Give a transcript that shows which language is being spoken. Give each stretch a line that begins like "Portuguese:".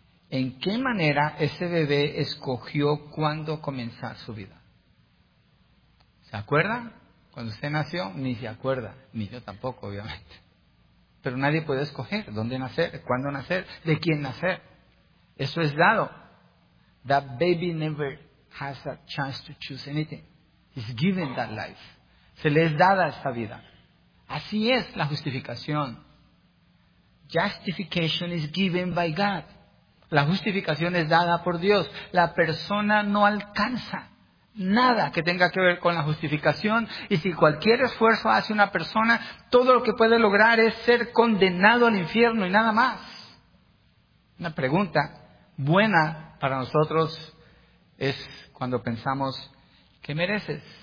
Spanish: ¿En qué manera ese bebé escogió cuándo comenzar su vida? ¿Se acuerdan? Cuando usted nació, ni se acuerda, ni yo tampoco, obviamente. Pero nadie puede escoger dónde nacer, cuándo nacer, de quién nacer. Eso es dado.
English: That baby never has a chance to choose anything. He's given that life.
Spanish: Se le es dada esta vida. Así es la justificación.
English: Justification is given by God.
Spanish: La justificación es dada por Dios. La persona no alcanza nada que tenga que ver con la justificación, y si cualquier esfuerzo hace una persona, todo lo que puede lograr es ser condenado al infierno y nada más. Una pregunta buena para nosotros es cuando pensamos, ¿qué mereces?